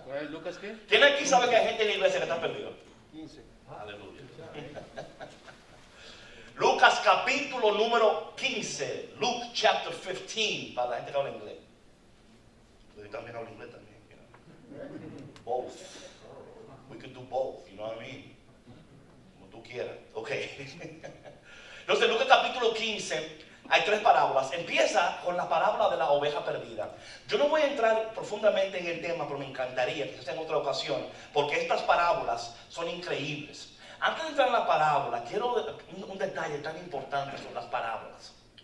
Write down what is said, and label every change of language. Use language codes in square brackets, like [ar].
[es] ¿Lucas qué? ¿Quién aquí sabe que hay gente en la iglesia que está perdido? 15. Aleluya. Lucas capítulo número 15. [en] Luke chapter 15. [es] Para la gente que habla inglés. Yo también hablo inglés también. [en] You know? Both. We could do both, you know what I mean? [es] Como tú quieras. Ok. Entonces, Lucas capítulo 15. Hay tres parábolas. Empieza con la parábola de la oveja perdida. Yo no voy a entrar profundamente en el tema, pero me encantaría que sea en otra ocasión, porque estas parábolas son increíbles. Antes de entrar en la parábola, quiero un detalle tan importante sobre las parábolas.